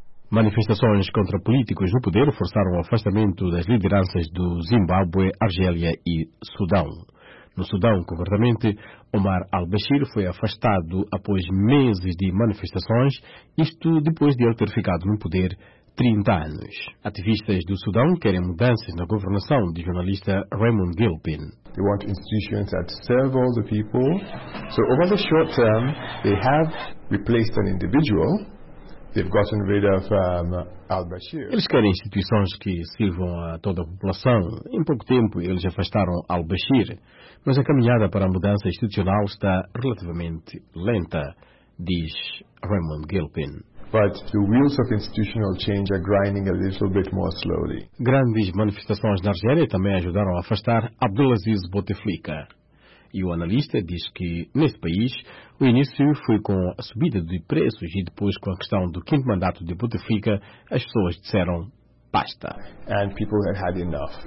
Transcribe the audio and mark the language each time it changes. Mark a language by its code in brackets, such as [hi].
[pt] Manifestações contra políticos no poder forçaram o afastamento das lideranças do Zimbábue, Argélia e Sudão. No Sudão, concretamente, Omar al-Bashir foi afastado após meses de manifestações, isto depois de ele ter ficado no poder 30 anos. Ativistas do Sudão querem mudanças na governação, diz o jornalista Raymond Gilpin. [en] They want institutions that serve all the people. So over the short term, they have replaced an individual. They've gotten rid of al-Bashir. [pt] Eles querem instituições que sirvam a toda a população. Em pouco tempo, eles afastaram al-Bashir. Mas a caminhada para a mudança institucional está relativamente lenta, diz Raymond Gilpin. [en] But the wheels of institutional change are grinding a little bit more slowly. [pt] Grandes manifestações na Argélia também ajudaram a afastar Abdelaziz Bouteflika. E o analista diz que, neste país, o início foi com a subida de preços e depois com a questão do quinto mandato de Bouteflika, as pessoas disseram basta. [en] And people had enough.